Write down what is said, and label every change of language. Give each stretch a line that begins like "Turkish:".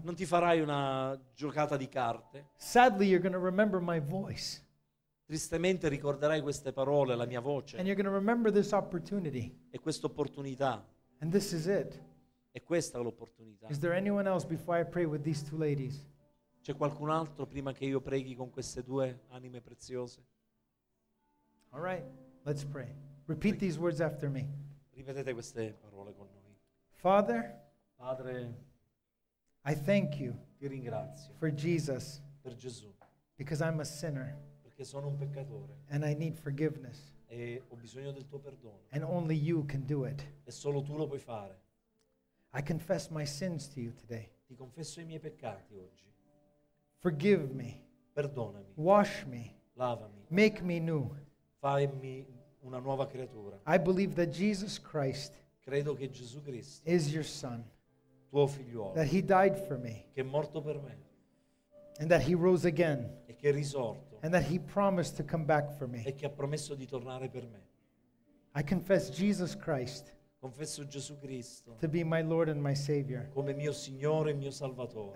Italian: Non ti farai una giocata di carte.
English: Sadly, you're going to remember my voice.
Italian: Tristemente ricorderai queste parole, la mia voce.
English: And you're going to remember this opportunity.
Italian: E questa opportunità.
English: And this is it.
Italian: E questa l'opportunità.
English: Is there anyone else before I pray with these two ladies?
Italian: C'è qualcun altro prima che io preghi con queste due anime preziose?
English: All right, let's pray. Repeat these words after me.
Italian: Ripetete queste parole con noi.
English: Father.
Italian: Padre,
English: I thank you.
Italian: Ti ringrazio.
English: For Jesus.
Italian: Per Gesù.
English: Because I'm a sinner.
Italian: Perché sono un peccatore.
English: And I need forgiveness.
Italian: E ho bisogno del tuo perdono.
English: And only you can do it.
Italian: E solo tu lo puoi fare.
English: I confess my sins to you today.
Italian: Ti confesso i miei peccati oggi.
English: Forgive me.
Italian: Perdonami.
English: Wash me.
Italian: Lavami.
English: Make me new.
Italian: Fammi una nuova creatura.
English: I believe that Jesus Christ.
Italian: Credo che Gesù Cristo.
English: Is your son.
Italian: Tuo figliuolo.
English: That he died for me.
Italian: Che è morto per me.
English: And that he rose again.
Italian: E che è risorto.
English: And that he promised to come back for me.
Italian: E che ha promesso di tornare per me.
English: I confess Jesus Christ.
Italian: Confesso Gesù Cristo.
English: To be my Lord and my Savior.
Italian: Come mio Signore e mio Salvatore.